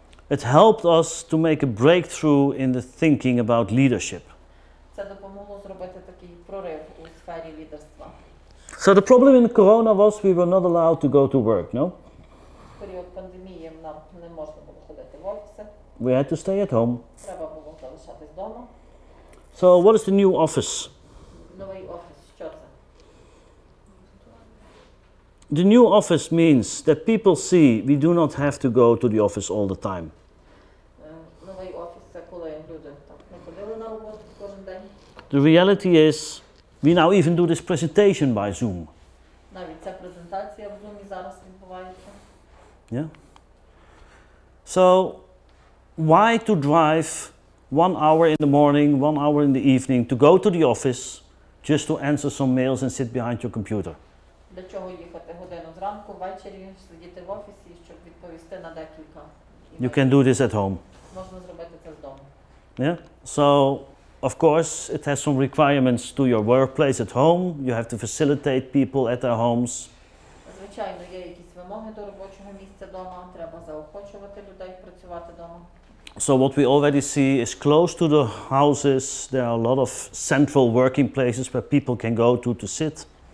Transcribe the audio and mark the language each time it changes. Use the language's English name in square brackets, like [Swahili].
[English] It helped us to make a breakthrough in the thinking about leadership. [Ukrainian] Це допомогло зробити такий прорив у сфері лідерства. [English] So the problem in Corona was we were not allowed to go to work, no? [Ukrainian] Період пандемії нам не можна було ходити в офіси. [English] We had to stay at home. [Ukrainian] Треба було залишатись вдома. [English] So what is the new office? [Ukrainian] Новий офіс, що це? [English] The new office means that people see we do not have to go to the office all the time. [Ukrainian] Новий офіс це коли люди так не ходили на роботу кожен день. [English] The reality is we now even do this presentation by Zoom. [Ukrainian] Навіть ця презентація в Zoom зараз відбувається. [English] Yeah. So why to drive 1 hour in the morning, 1 hour in the evening to go to the office just to answer some mails and sit behind your computer? [Ukrainian] Для чого їхати годину зранку, ввечері, сидіти в офісі, щоб відповісти на декілька? [English] You can do this at home. [Ukrainian] Можна зробити це вдома. [English] Yeah? So, of course, it has some requirements to your workplace at home. You have to facilitate people at their homes. [Ukrainian] Звичайно, є якісь вимоги до робочого місця вдома. Треба заохочувати людей працювати вдома. [English] So what we already see is close to the houses, there are a lot of central working places where people can go to sit,